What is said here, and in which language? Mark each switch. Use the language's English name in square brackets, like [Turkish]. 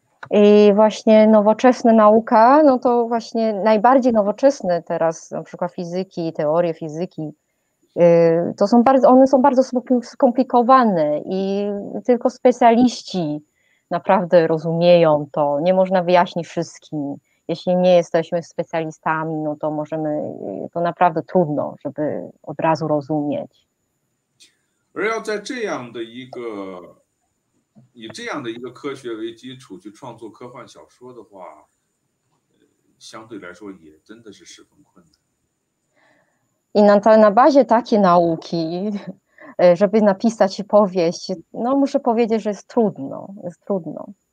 [Polish] I właśnie nowoczesna nauka, no to właśnie najbardziej nowoczesne teraz, na przykład fizyki, teorie fizyki, to są bardzo, one są bardzo skomplikowane i tylko specjaliści naprawdę rozumieją to. Nie można wyjaśnić wszystkim. Jeśli nie jesteśmy specjalistami, no to możemy, to naprawdę trudno, żeby od razu rozumieć. [Chinese] 而要在这样的一个以这样的一个科学为基础去创作科幻小说的话，相对来说也真的是十分困难。I [Polish] na bazie takiej nauki, żeby napisać powieść, no muszę powiedzieć, że jest trudno, jest trudno.